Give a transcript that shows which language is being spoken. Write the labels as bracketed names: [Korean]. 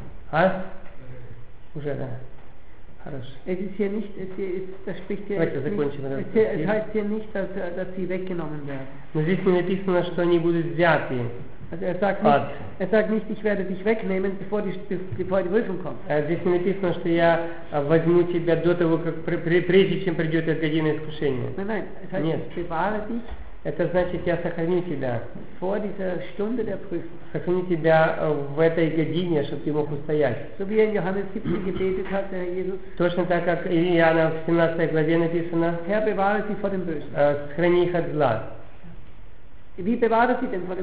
[Russian] А? Уже, да. Это здесь не написано, что они будут взяты. [German] Also er sagt nicht, ich werde dich wegnehmen, bevor die Prüfung kommt. [Russian] Здесь написано, что я возьму тебя до того, как прежде чем придет эта година искушения. [German] Nein, dich. [Russian] Это значит, я сохраню тебя. [German] Vor dieser Stunde der Prüfung. [Russian] Сохраню тебя в этой године, чтобы ты мог устоять. [German] So wie in Johannes 17 gebetet hat, Herr Jesus. [Russian] Точно так, как и Иоанна в 17 главе написано. [German] Herr, bewahre sie vor dem Bösen. [Russian] Сохрани их от зла. [German] Wie bewahrt sie denn vor dem